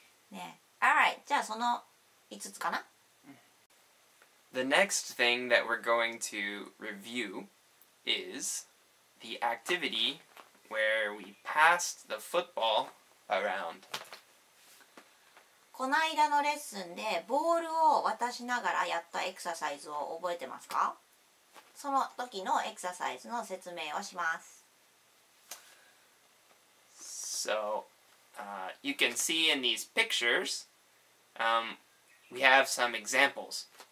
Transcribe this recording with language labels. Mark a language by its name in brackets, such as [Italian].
[Japanese] ね、 [English] Alright, [Japanese] じゃあその5つかな。 [English] The next thing that we're going to review is the activity where we passed the football around. [Japanese] この間のレッスンでボールを渡しながらやったエクササイズを覚えてますか？その時のエクササイズの説明をします。 [English] So, you can see in these pictures, we have some examples.